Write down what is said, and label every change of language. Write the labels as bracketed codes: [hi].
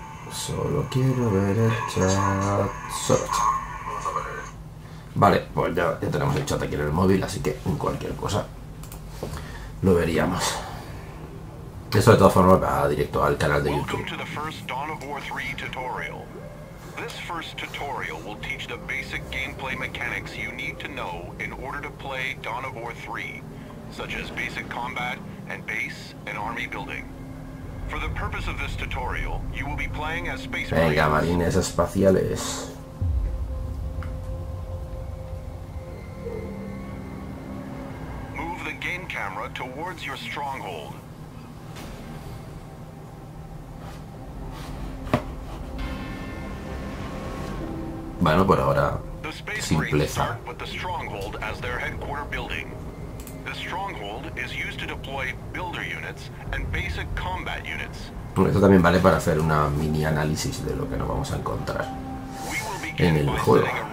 [es] Solo quiero ver el chat. Solo chat. Vale, pues ya tenemos el chat aquí en el móvil, así que en cualquier cosa lo veríamos. Eso de todas formas va directo al canal de YouTube. [en] Welcome to the first Dawn of War 3 tutorial. This first tutorial will teach the basic gameplay mechanics you need to know in order to play Dawn of War 3, such as basic combat and base and army building. For the purpose of this tutorial, you will be playing as space marines. [es] Venga, marines espaciales. [en] Move the game camera towards your stronghold. [es] Bueno, por ahora, simpleza. [en] The stronghold as their headquarter building. The stronghold is used to deploy builder units and basic combat units. [es] Bueno, esto también vale para hacer una mini análisis de lo que nos vamos a encontrar en el juego.